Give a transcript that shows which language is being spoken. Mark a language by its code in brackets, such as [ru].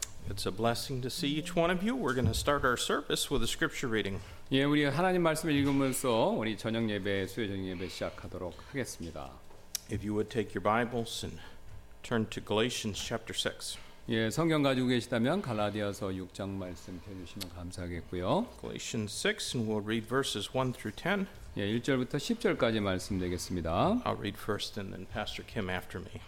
[en] It's a blessing to see each one of you. We're going to start our service with a scripture reading. [ko] 예, 우리 하나님 말씀을 읽으면서 우리 저녁 예배, 수요 저녁 예배 시작하도록 하겠습니다. [en] If you would take your Bibles and turn to Galatians chapter 6. [ko] 예, 성경 가지고 계시다면 갈라디아서 6장 말씀 펴 주시면 감사하겠고요. [en] Galatians 6 and we'll read verses 1 through 10. [ko] 예, 1절부터 10절까지 말씀드리겠습니다. [en] I'll read first and then Pastor Kim after me.